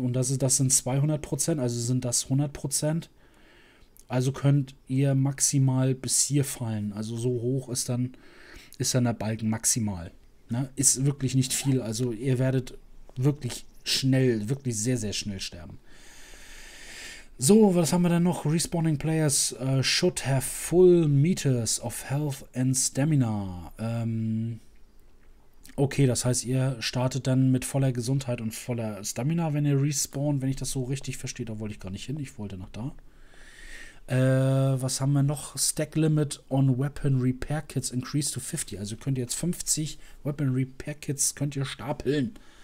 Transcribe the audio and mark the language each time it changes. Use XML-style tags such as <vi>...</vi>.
<de>Und das sind 200%, also sind das 100%. Also könnt ihr maximal bis hier fallen. Also, so hoch ist dann der Balken maximal. Ist wirklich nicht viel. Also ihr werdet wirklich schnell, wirklich sehr, sehr schnell sterben. So, was haben wir denn noch?</de> <en>Respawning Players should have full meters of health and stamina.</en> <de>Okay, das heißt, ihr startet dann mit voller Gesundheit und voller Stamina, wenn ihr respawnt, wenn ich das so richtig verstehe. Da wollte ich gar nicht hin. Ich wollte nach da. Was haben wir noch?</de> <en>Stack Limit on Weapon Repair Kits increased to 50.</en> <de>Also könnt ihr jetzt 50 Weapon Repair Kits könnt ihr stapeln.</de>